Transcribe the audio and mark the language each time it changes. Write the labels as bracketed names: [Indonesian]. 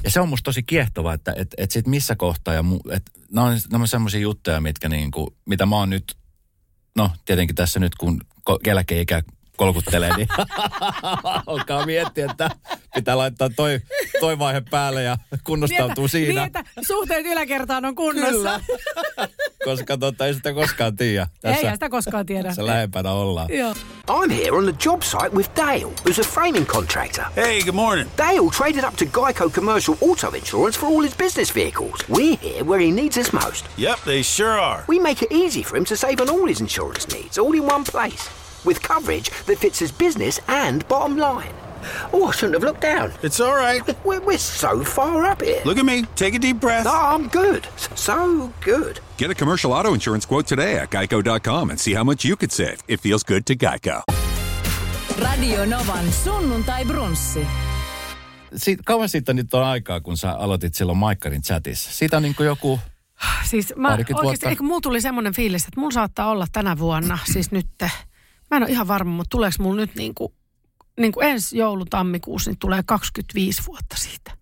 [Finnish] Ja se on musta tosi kiehtovaa, että sit missä kohtaa, että nämä on semmoisia juttuja, mitkä niinku, mitä mä oon nyt, no tietenkin tässä nyt kun eläkeikä kolkuttelee, niin alkaa miettiä, että pitää laittaa toi vaihe päälle ja kunnostautuu siinä. Niin, että suhteet yläkertaan on kunnossa. Kyllä. Koska ei sitä koskaan tiedä. Tässä, ei sitä koskaan tiedä. Tässä lähempänä ollaan. Joo. [English] I'm here on the job site with Dale, who's a framing contractor. Hey, good morning. Dale traded up to Geico Commercial Auto Insurance for all his business vehicles. We're here where he needs us most. Yep, they sure are. We make it easy for him to save on all his insurance needs, all in one place. With coverage that fits his business and bottom line. Oh, I shouldn't have looked down. It's all right. We're so far up here. Look at me. Take a deep breath. Oh, I'm good. So good. Get a commercial auto insurance quote today at Geico.com and see how much you could save. It feels good to Geico. [Finnish] Radio Novan sunnuntai brunssi. Kauan siitä nyt on aikaa, kun sä aloitit silloin Maikkarin chatissa. Siitä on niin kuin joku... Siis mä oikeasti, eikö mulla tuli semmoinen fiilis, että mulla saattaa olla tänä vuonna, siis nytte... Mä en ole ihan varma, mutta tuleeko mulla nyt niin kuin ensi joulutammikuussa, niin tulee 25 vuotta siitä.